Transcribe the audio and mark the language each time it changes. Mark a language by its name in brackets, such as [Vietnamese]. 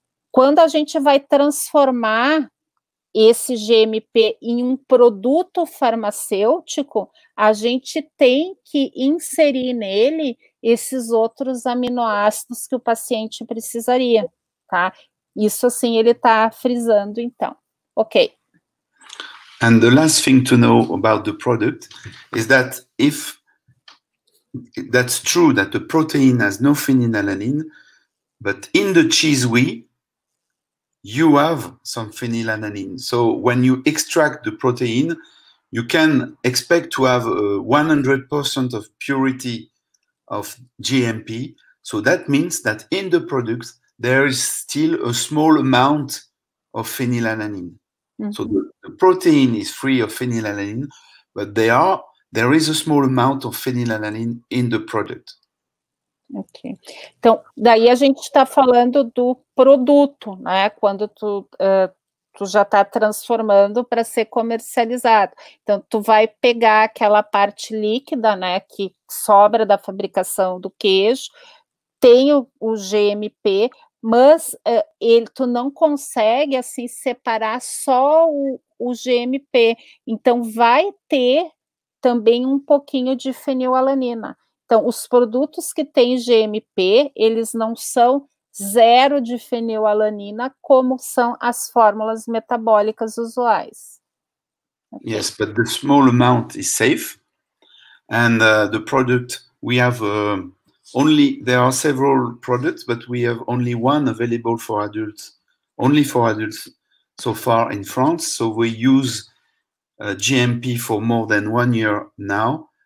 [Portuguese] Quando a gente vai transformar esse GMP em um produto farmacêutico, a gente tem que inserir nele esses outros aminoácidos que o paciente precisaria, tá? Isso, assim, ele está frisando, então. Ok. [English] And the last thing to know about the product is that if that's true that the protein has no phenylalanine, but in the cheese whey, you have some phenylalanine. So when you extract the protein, you can expect to have 100% of purity of GMP. So that means that in the products, there is still a small amount of phenylalanine. Mm-hmm. So the protein is free of phenylalanine, but there is a small amount of phenylalanine in the product. Ok. [Portuguese] Então, daí a gente está falando do produto, né? Quando tu já está transformando para ser comercializado. Então, tu vai pegar aquela parte líquida, né, que sobra da fabricação do queijo, tem o GMP, Mas ele, tu não consegue assim separar só o GMP. Então, vai ter também um pouquinho de fenilalanina. Então, os produtos que têm GMP, eles não são zero de fenilalanina, como são as fórmulas metabólicas usuais. [English] Yes, but the small amount is safe. And the product we have only, there are several products, but we have only one available for adults, only for adults so far in France. So we use GMP for more than 1 year now.